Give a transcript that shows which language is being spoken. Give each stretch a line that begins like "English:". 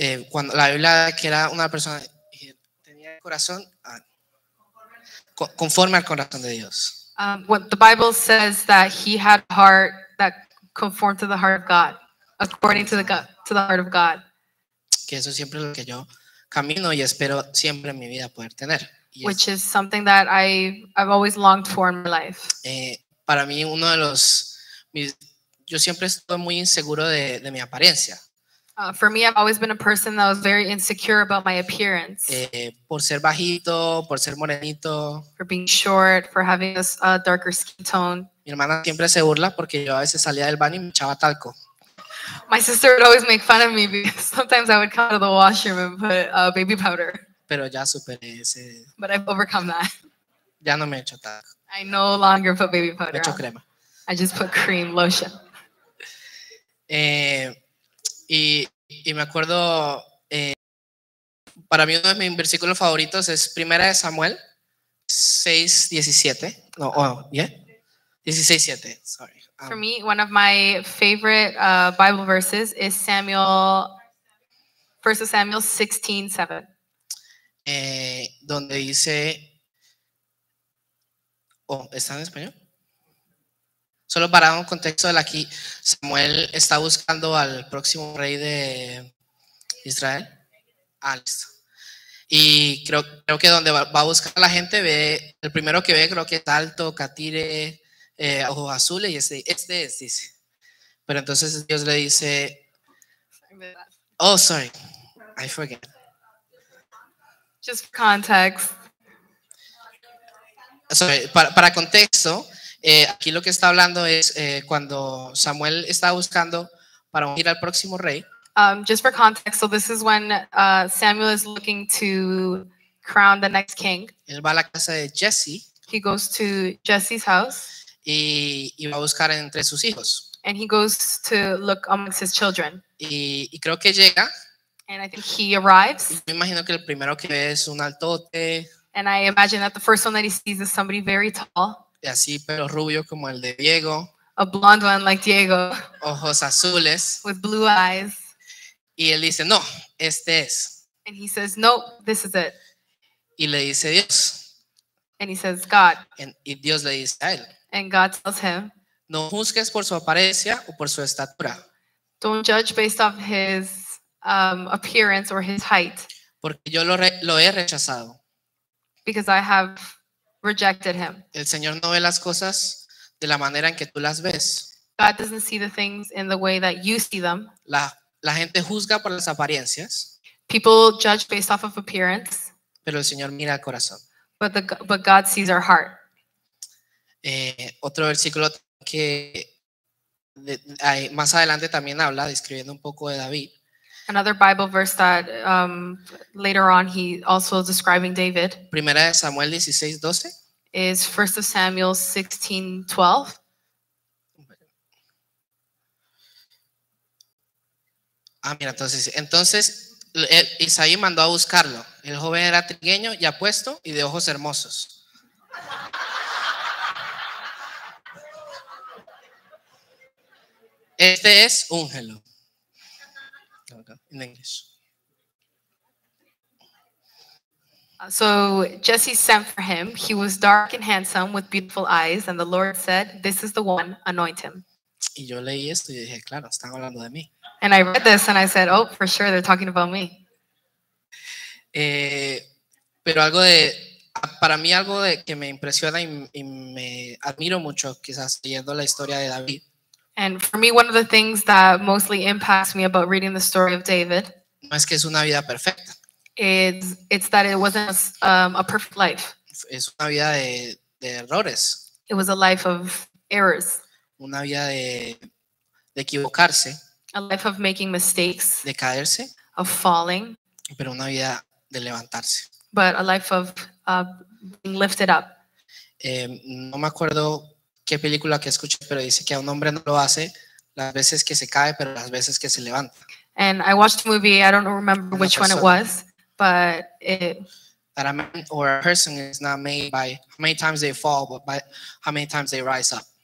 Spanish: cuando la Biblia que era una persona... Tenía el corazón... conforme al corazón de Dios.
English: What the Bible says that he had a heart that conformed to the heart of God, according to the heart of God.
Spanish: Que eso siempre es lo que yo camino y espero siempre en mi vida poder tener.
English: Which is something that I've always longed for in my life.
Spanish: Para mí uno de los, yo siempre estoy muy inseguro de mi apariencia.
English: For me, I've always been a person that was very insecure about my appearance.
Spanish: Por ser bajito, por ser morenito.
English: For being short, for having a darker skin tone.
Spanish: Mi hermana siempre se burla porque yo a veces salía del baño y me echaba talco.
English: My sister would always make fun of me because sometimes I would come out of the washroom and put baby powder.
Spanish: Pero ya superé ese.
English: But I've overcome that.
Spanish: Ya no me echo talco.
English: I no longer put baby powder.
Spanish: Me echo crema.
English: I just put cream lotion.
Spanish: Y me acuerdo, para mí uno de mis versículos favoritos es Primera de Samuel 6:17.
English: No, oh, yeah. 16:7, sorry. For me, one of my favorite Bible verses is Samuel, 1 Samuel 16:7.
Spanish: Donde dice, oh, ¿está en español? Solo para un contexto de aquí, Samuel está buscando al próximo rey de Israel, Alistair. Y creo que donde va a buscar a la gente, ve el primero que ve creo que es alto, catire, ojos azules, y este es, dice. Pero entonces Dios le dice,
English: oh, sorry, I forget. Just for context.
Spanish: Sorry, para contexto... aquí lo que está hablando es cuando Samuel está buscando para ir al próximo rey.
English: Just for context, so this is when Samuel is looking to crown the next king.
Spanish: Él va a la casa de Jesse.
English: He goes to Jesse's house.
Spanish: Y va a buscar entre sus hijos.
English: And he goes to look amongst his children.
Spanish: Y creo que llega.
English: And I think he arrives.
Spanish: Y me imagino que el primero que ve es un altote.
English: And I imagine that the first one that he sees is somebody very tall.
Spanish: Y así, pero rubio como el de Diego.
English: A blonde one like Diego.
Spanish: Ojos azules.
English: With blue eyes.
Spanish: Y él dice, no, este es.
English: And he says, no, this is it.
Spanish: Y le dice Dios.
English: And he says, God.
Spanish: Y Dios le dice a él.
English: And God tells him.
Spanish: No juzgues por su apariencia o por su estatura.
English: Don't judge based off his appearance or his height.
Spanish: Porque yo lo he rechazado.
English: Because I have... rejected him.
Spanish: El Señor no ve las cosas de la manera en que tú las ves.
English: God doesn't see the things in the way that you see them.
Spanish: La gente juzga por las apariencias.
English: People judge based off of appearance.
Spanish: Pero el Señor mira el corazón.
English: But God sees our heart.
Spanish: Otro versículo que más adelante también habla, describiendo un poco de David.
English: Another Bible verse that later on he also is describing David.
Spanish: Primera de Samuel 16:12.
English: Is 1 Samuel 16:12.
Spanish: Ah, mira, entonces Isaí mandó a buscarlo. El joven era trigueño y apuesto y de ojos hermosos. Este es úngelo.
English: In English. So Jesse sent for him. He was dark and handsome with beautiful eyes, and the Lord said, "This is the one, anoint him."
Spanish: Y yo leí esto y dije, claro, están hablando de mí.
English: And I read this and I said, oh, for sure, they're talking about me.
Spanish: Pero algo de, para mí algo de que me impresiona y me admiro mucho, quizás leyendo la historia de David.
English: And for me, one of the things that mostly impacts me about reading the story of David.
Spanish: No es que es una vida perfecta.
English: It's that it wasn't a perfect life.
Spanish: Es una vida de errores.
English: It was a life of errors.
Spanish: Una vida de equivocarse.
English: A life of making mistakes.
Spanish: De caerse.
English: Of falling.
Spanish: Pero una vida de levantarse.
English: But a life of being lifted up.
Spanish: No me acuerdo qué película que escuché, pero dice que a un hombre no lo hace las veces que se cae, pero las veces que se levanta.
English: And I watched a movie, I don't remember una which persona. One it was, but it... That a man or a person is not made by how many times they fall, but by how many times they rise up.